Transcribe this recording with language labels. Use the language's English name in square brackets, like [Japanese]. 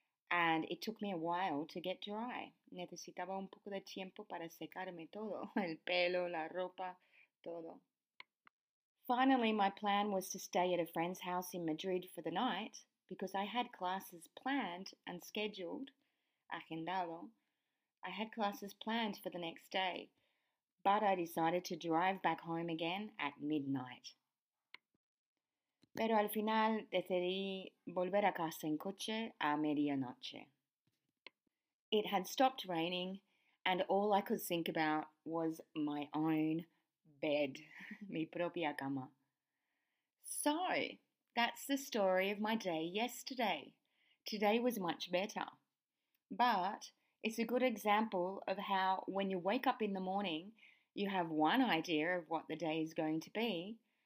[English] And it took me a while to get dry. [Spanish] Necesitaba un poco de tiempo para secarme todo, el pelo, la ropa, todo. [English] Finally, my plan was to stay at a friend's house in Madrid for the night because I had classes planned and scheduled, agendado. I had classes planned for the next day, but I decided to drive back home again at midnight. [Spanish] Pero al final decidí volver a casa en coche a medianoche. [English] It had stopped raining, and all I could think about was my own bed, [Spanish] mi propia cama. [English] So, that's the story of my day yesterday. Today was much better. But it's a good example of how when you wake up in the morning, you have one idea of what the day is going to be.